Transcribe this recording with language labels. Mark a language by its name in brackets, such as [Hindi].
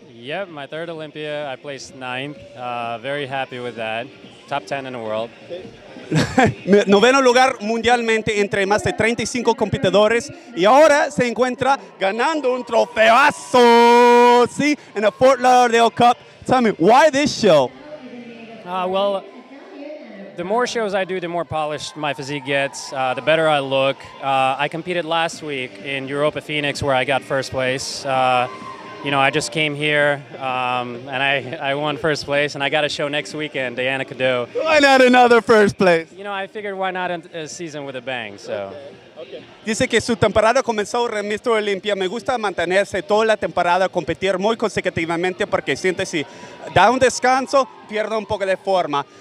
[English] Yeah, my third Olympia. I placed 9th. Very happy with that. Top 10 in the world. [Spanish] Noveno lugar mundialmente entre más de 35 competidores. Y ahora se encuentra ganando un trofeazo, ¿sí? [English] In the Fort Lauderdale Cup. Tell me, why this show? Well, the more shows I do, the more polished my physique gets, the better I look. I competed last week in Europa Phoenix, where I got first place. You know, I just came here, and I won first place, and I got a show next weekend, Diana Cadeau. Why not another first place? You know, I figured why not a season with a bang, so. [Spanish] Dice que su temporada comenzó en Mr. Olympia. Me gusta mantenerse toda la temporada, competir muy consecutivamente, porque siente si da un descanso, pierde un poco de forma.